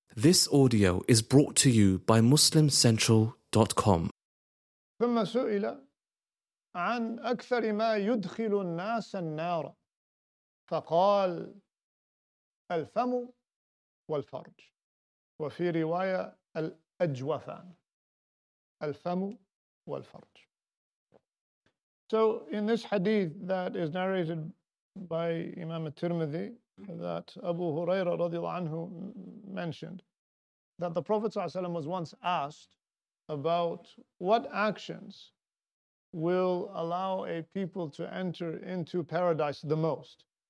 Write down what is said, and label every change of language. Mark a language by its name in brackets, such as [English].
[English] This audio is brought to you by MuslimCentral.com. [Arabic] ثم سئل عن أكثر ما يدخل الناس النار فقال الفم والفرج وفي رواية الأجوفان الفم والفرج. [English] So in this hadith that is narrated by Imam al-Tirmidhi that Abu Huraira radiallahu anhu mentioned, that the Prophet ﷺ was once asked about what actions will allow a people to enter into paradise the most.